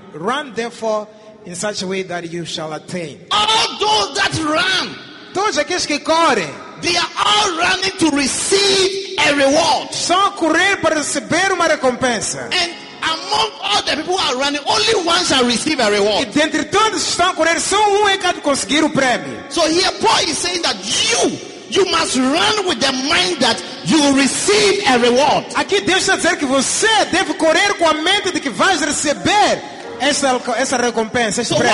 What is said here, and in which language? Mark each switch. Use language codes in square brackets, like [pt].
[en] Run therefore in such a way that you shall attain. All those that run, [pt] todos aqueles que correm, [en] they are all running to receive a reward. [pt] Só correr para receber uma recompensa. [en] And among all the people who are running, only one shall receive a reward. [pt] E dentre todos que estão a correr, só é que vai conseguir o prêmio. [en] So here Paul is saying that you must run with the mind that you will receive a reward. [pt] Aqui Deus está a dizer que você deve correr com a mente de que vai receber essa recompensa, esse prêmio.